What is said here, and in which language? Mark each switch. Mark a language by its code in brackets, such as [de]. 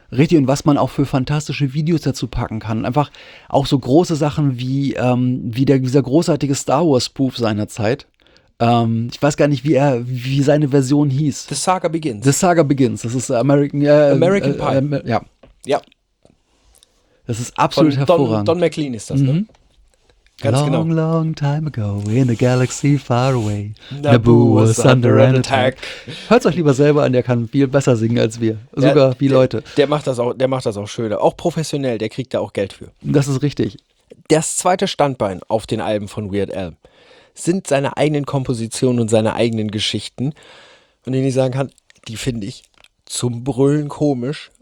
[de] Richtig, und was man auch für fantastische Videos dazu packen kann. Einfach auch so große Sachen wie, dieser großartige Star Wars Spoof seiner Zeit. Ich weiß gar nicht, wie seine Version hieß. The Saga Begins. The Saga Begins, das ist American Pie. Ja. Ja. Das ist absolut hervorragend. Don McLean ist das, ne? Ganz long, genau. [en] Long, long time ago in a galaxy far away. Naboo was under an attack. [de] Hört es euch lieber selber an, der kann viel besser singen als wir. Sogar wie Leute. Der macht das auch schöner. Auch professionell, der kriegt da auch Geld für. Das ist richtig. Das zweite Standbein auf den Alben von Weird Al sind seine eigenen Kompositionen und seine eigenen Geschichten. Und denen ich sagen kann, die finde ich zum Brüllen komisch.